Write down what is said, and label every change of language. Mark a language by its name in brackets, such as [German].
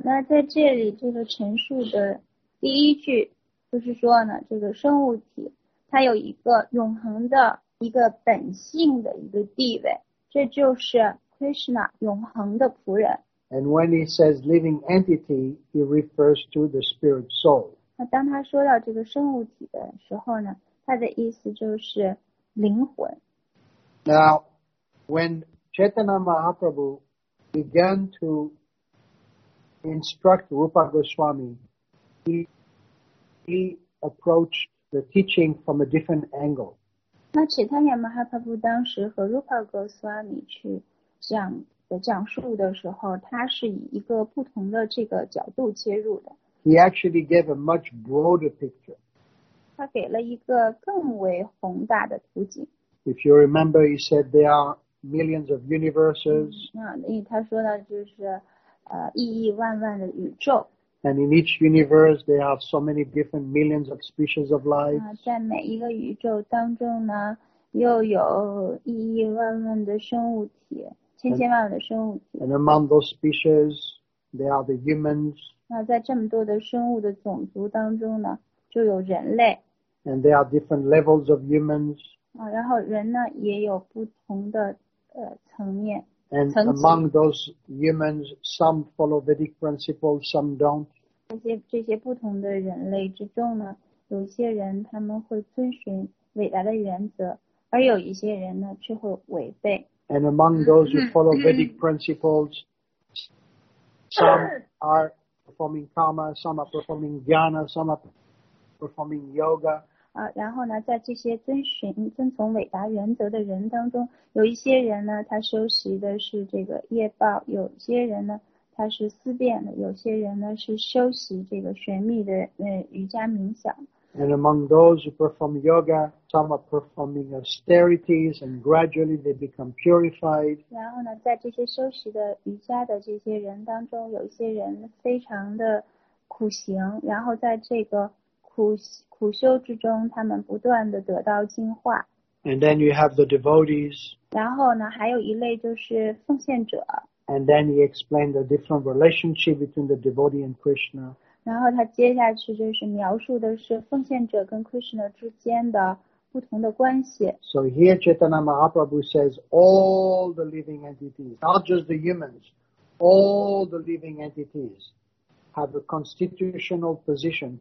[Chinese] 那在这里这个陈述的第一句就是说呢，这个生物体它有一个永恒的一个本性的一个地位，这就是 Krishna 永恒的仆人。 [English] And when he says living entity, he refers to the spirit soul. [Chinese] 那当他说到这个生物体的时候呢？他的意思就是灵魂。 [English] Now, when Chaitanya Mahaprabhu began to instruct Rupa Goswami, he approached the teaching from a different angle. [Chinese] 那 Chaitanya Mahaprabhu 当时和 Rupa Goswami 去讲述的时候，他是以一个不同的这个角度切入的。 [English] He actually gave a much broader picture. [Chinese] 他给了一个更为宏大的图景。 [English] If you remember, he said there are millions of universes. [Chinese] 他说的就是亿亿万万的宇宙。 [English] And in each universe, there are so many different millions of species of life. [Chinese] 在每一个宇宙当中呢，又有亿亿万万的生物体，千千万万的生物体。 [English] And among those species, there are the humans. [Chinese] 在这么多的生物的种族当中呢？就有人类。 [English] And there are different levels of humans. [Chinese] 然后人呢也有不同的层面。 [English] And among those humans, some follow Vedic principles, some don't. [Chinese] 这些不同的人类之中呢，有些人他们会遵循伟大的原则，而有一些人呢却会违背。 [English] And among those who follow Vedic principles, some are performing karma, some are performing dhyana, some are performing yoga. [Chinese] 然后呢，在这些遵从伟大原则的人当中，有一些人呢，他修习的是这个业报，有些人呢，他是思辨的，有些人呢是修习这个玄秘的瑜伽冥想。 [English] And among those who perform yoga, some are performing austerities, and gradually they become purified. [Chinese] 然后呢，在这些修习的瑜伽的这些人当中，有一些人非常的苦行，然后在这个苦修之中，他们不断的得到净化。 [English] And then you have the devotees. [Chinese] 然后呢，还有一类就是奉献者。 [English] And then he explained the different relationship between the devotee and Krishna. [Chinese] 然后他接下去就是描述的是奉献者跟 Krishna 之间的不同的关系。 [English] So here Chaitanya Mahaprabhu says all the living entities, not just the humans, all the living entities have a constitutional position.